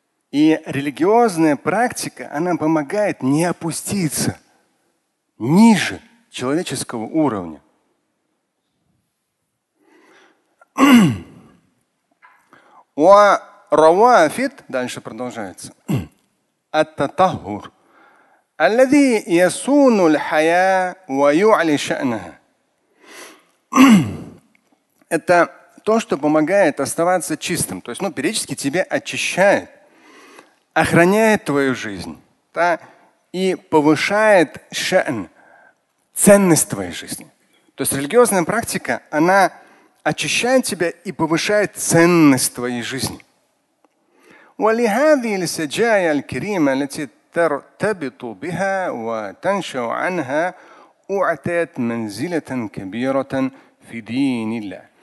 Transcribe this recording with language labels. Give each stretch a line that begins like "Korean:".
Russian: И религиозная практика, она помогает не опуститься ниже человеческого уровня.
Arabic: «Уа рауафит»
Russian: – дальше продолжается.
Arabic: «Ат-татахур». الذي يسون الحياة ويعلي شأنها.
Russian: Это то, что помогает оставаться чистым. То есть, ну, периодически тебе очищает, охраняет твою жизнь, да, и повышает шэн, ценность твоей жизни. То есть религиозная практика, она очищает тебя и повышает ценность твоей жизни.
Arabic: ولهذه السجايا الكريمة التي ترتبط بها وتنشأ عنها أعطيت منزلة كبيرة في دين الله.